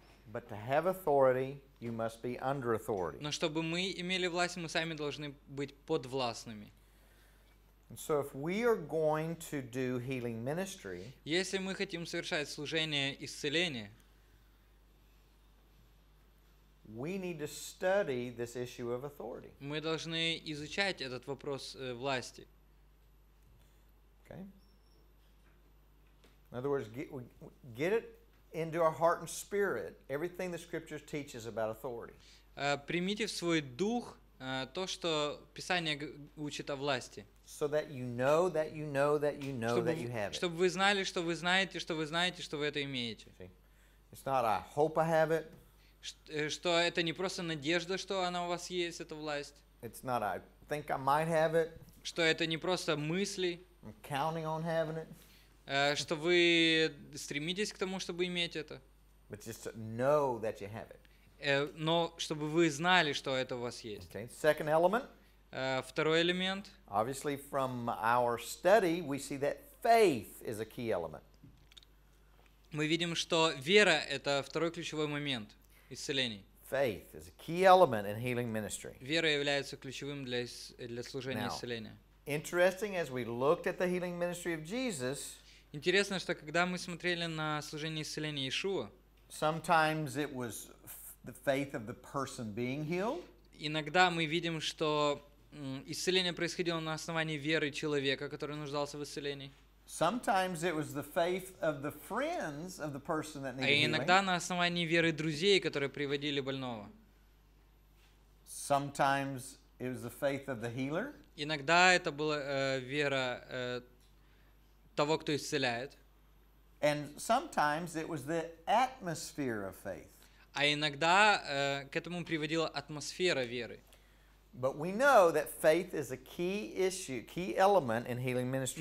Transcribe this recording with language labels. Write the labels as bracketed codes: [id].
[en] But to have authority, you must be under authority. [ru] Но чтобы мы имели власть, мы сами должны быть подвластными. [en] And so if we are going to do healing ministry, [ru] если мы хотим совершать служение исцеления, [en] we need to study this issue of authority. [ru] Мы должны изучать этот вопрос власти. [en] Okay. In other words, get it into our heart and spirit, everything the Scriptures teaches about authority. [ru] Примите в свой дух то, что Писание учит о власти. [en] So that you know that you know that you know that you have it. [ru] Чтобы вы знали, что вы знаете, что вы знаете, что вы это имеете. [en] It's not I hope I have it. [ru] Что это не просто надежда, что она у вас есть, эта власть. [en] It's not I think I might have it. [ru] Что это не просто мысли. [en] I'm counting on having it. [ru] Что вы стремитесь к тому, чтобы иметь это. [en] But just to know that you have it. [ru] Но чтобы вы знали, что это у вас есть. [en] Okay. Second element. [ru] Второй элемент. [en] Obviously, from our study, we see that faith is a key element. [ru] Мы видим, что вера – это второй ключевой момент исцелений. [en] Faith is a key element in healing ministry. [ru] Вера является ключевым для служения исцеления. [en] Interesting, as we looked at the healing ministry of Jesus. [ru] Интересно, что когда мы смотрели на служение исцеления Иешуа. [en] Sometimes it was the faith of the person being healed. [ru] Иногда мы видим, что исцеление происходило на основании веры человека, который нуждался в исцелении. [en] Sometimes it was the faith of the friends of the person that needed healing. [ru] А иногда на основании веры друзей, которые приводили больного. [en] Sometimes it was the faith of the healer. [ru] Иногда это была вера того, кто исцеляет. [en] And sometimes it was the atmosphere of faith. [ru] А иногда к этому приводила атмосфера веры. [en] But we know that faith is a key issue, key element in healing ministry.